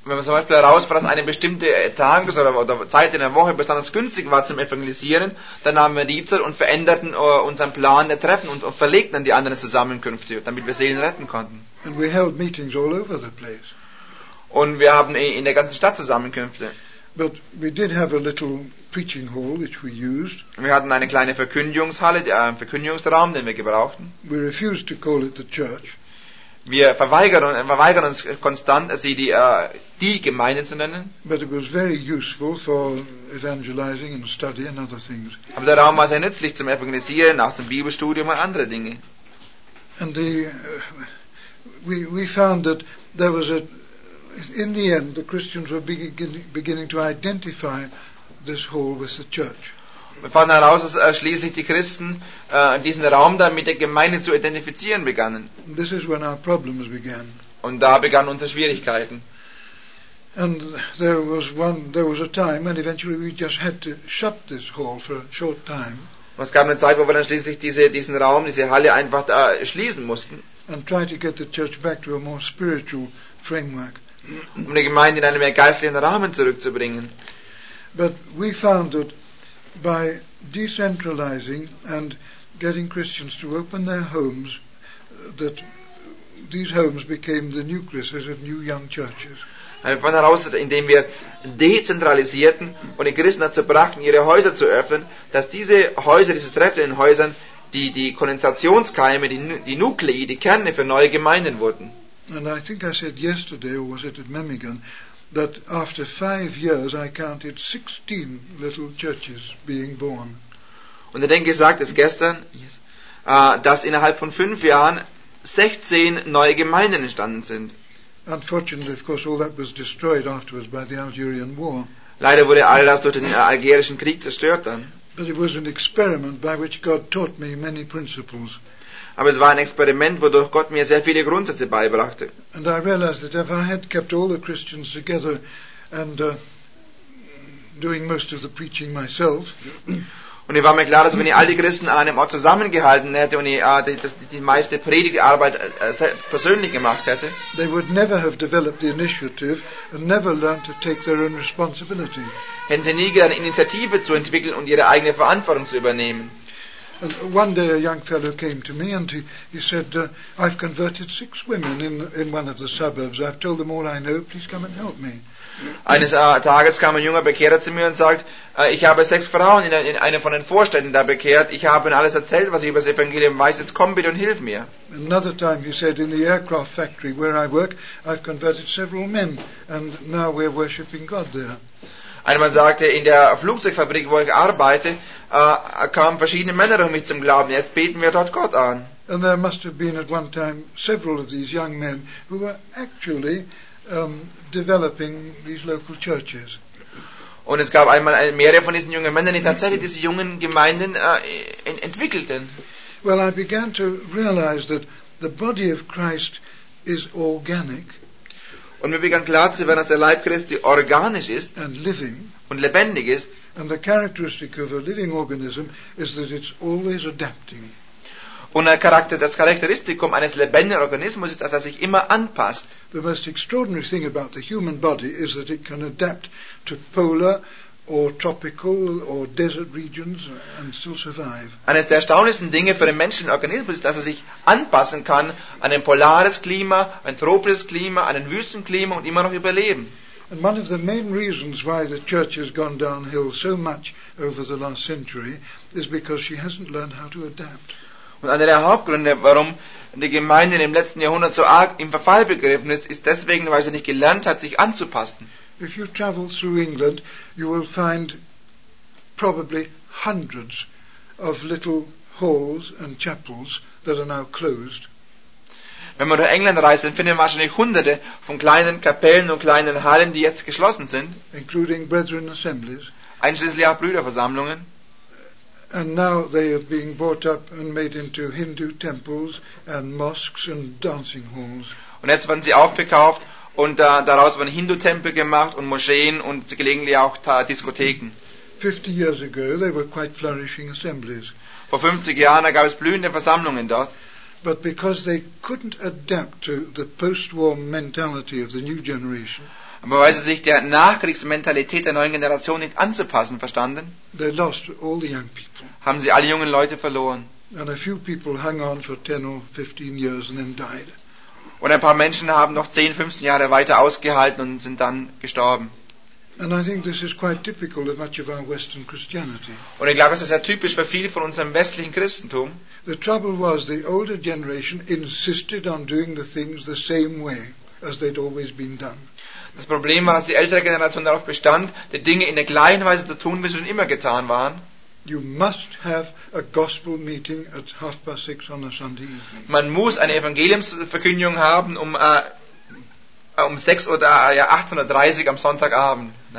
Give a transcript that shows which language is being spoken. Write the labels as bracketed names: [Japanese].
[German] Wenn man zum Beispiel herausfand, dass eine bestimmte Tag oder Zeit in der Woche besonders günstig war zum Evangelisieren, dann nahmen wir die Zeit und veränderten unseren Plan der Treffen und verlegten dann die anderen Zusammenkünfte, damit wir Seelen retten konnten. [English] And we held meetings all over the place. [German] Und wir haben in der ganzen Stadt Zusammenkünfte. [English] But we did have a little preaching hall which we used. [German] Wir hatten eine kleine Verkündigungshalle, einen Verkündigungsraum, den wir gebrauchten. [English] We refused to call it the church. [German] Wir verweigern uns konstant, sie die Gemeinde zu nennen. [English] But it was very useful for evangelizing and study and other things. [German] Aber der Raum war sehr nützlich zum Evangelisieren, auch zum Bibelstudium und andere Dinge. [English] And we found that there was a in the end the Christians were beginning to identify this hall with the church. [German] Wir fanden heraus, dass schließlich die Christen diesen Raum dann mit der Gemeinde zu identifizieren begannen. [English] This is when our problems began. [German] Und da begannen unsere Schwierigkeiten. [English] And there was a time and eventually we just had to shut this hall for a short time. [German] Und es gab eine Zeit, wo wir dann schließlich diesen Raum, diese Halle einfach da schließen mussten. [English] And try to get the church back to a more spiritual framework. [German] Um die Gemeinde in einen mehr geistlichen Rahmen zurückzubringen. [English] But we found that by decentralizing and getting Christians to open their homes, that these homes became the nucleuses of new young churches. [German] Wir fanden heraus, indem wir dezentralisierten und die Christen dazu brachten, ihre Häuser zu öffnen, dass diese Häuser, diese treffenden Häuser, die Kondensationskeime, die Nuklei, die Kerne für neue Gemeinden wurden. [English] And I think I said yesterday, or was it at Memmingen, that after 5 years I counted 16 little churches being born. [German] Und ich denke, ich sagte es gestern, dass innerhalb von 5 Jahren 16 neue Gemeinden entstanden sind. [English] Unfortunately, of course, all that was destroyed afterwards by the Algerian War. [German] Leider wurde all das durch den Algerischen Krieg zerstört dann. [English] But it was an experiment by which God taught me many principles. [German] Aber es war ein Experiment, wodurch Gott mir sehr viele Grundsätze beibrachte. [English] And I realized that if I had kept all the Christians together and doing most of the preaching myself. [German] Und ich war mir klar, dass wenn ich all die Christen an einem Ort zusammengehalten hätte und ich die meiste Predigtarbeit persönlich gemacht hätte, [English] they would never have developed the initiative and never learned to take their own responsibility. [German] Hätten sie nie gelernt, Initiative zu entwickeln und ihre eigene Verantwortung zu übernehmen. [English] And one day a young fellow came to me and he said, I've converted 6 women in one of the suburbs. I've told them all I know. Please come and help me. [German] Eines Tages kam ein junger Bekehrer zu mir und sagt, ich habe 6 Frauen in einer von den Vorstädten da bekehrt. Ich habe ihnen alles erzählt, was ich über das Evangelium weiß. Jetzt komm bitte und hilf mir. [English] Another time he said, in the aircraft factory where I work, I've converted several men and now we're worshipping God there. [German] Einmal sagte, in der Flugzeugfabrik, wo ich arbeite, kamen verschiedene Männer um mich zum Glauben. Jetzt beten wir dort Gott an. [English] And there must have been at one time several of these young men who were actually developing these local churches. [German] Und es gab einmal mehrere von diesen jungen Männern, die tatsächlich diese jungen Gemeinden entwickelten. [English] Well, I began to realize that the body of Christ is organic. [German] Und mir begann klar zu werden, dass der Leib Christi organisch ist [English] and living, [German] und lebendig ist. [English] And the characteristic of a living organism is that it's always adapting. [German] Und das Charakteristikum eines lebendigen Organismus ist, dass er sich immer anpasst. [English] The most extraordinary thing about the human body is that it can adapt to polar or tropical or desert regions and still survive. [German] Eines der erstaunlichsten Dinge für den menschlichen Organismus ist, dass er sich anpassen kann an ein polares Klima, ein tropisches Klima, an ein Wüstenklima und immer noch überleben. [English] And one of the main reasons why the church has gone downhill so much over the last century is because she hasn't learned how to adapt. [German] Und einer der Hauptgründe, warum die Gemeinde im letzten Jahrhundert so arg im Verfall begriffen ist, ist deswegen, weil sie nicht gelernt hat, sich anzupassen. [English] If you travel through England, you will find probably hundreds of little halls and chapels that are now closed. [German] Wenn man durch England reist, dann findet man wahrscheinlich hunderte von kleinen Kapellen und kleinen Hallen, die jetzt geschlossen sind. [English] Including brethren assemblies. [German] Einschließlich auch Brüderversammlungen. [English] And now they are being bought up and made into Hindu temples and mosques and dancing halls. [German] Und jetzt werden sie aufgekauft. Und daraus wurden Hindu-Tempel gemacht und Moscheen und gelegentlich auch Diskotheken. [English] 50 years ago, they were quite flourishing assemblies. [German] Vor 50 Jahren gab es blühende Versammlungen dort. [English] But because they couldn't adapt to the post-war mentality of the new generation. [German] Aber weil sie sich der Nachkriegsmentalität der neuen Generation nicht anzupassen verstanden, [English] they lost all the young people. [German] Haben sie alle jungen Leute verloren. [English] And a few people hung on for 10 or 15 years and then died. [German] Und ein paar Menschen haben noch 10, 15 Jahre weiter ausgehalten und sind dann gestorben. [English] And I think this is quite typical of much of our Western Christianity. [German] Und ich glaube, es ist sehr typisch für viel von unserem westlichen Christentum. [English] The trouble was, the older generation insisted on doing the things the same way as they'd always been done. [German] Das Problem war, dass die ältere Generation darauf bestand, die Dinge in der gleichen Weise zu tun, wie sie schon immer getan waren. [English] You must have a gospel meeting at 6:30 on a Sunday evening. [German] Man muss eine Evangeliumsverkündigung haben um 6 oder 18:30 am Sonntagabend.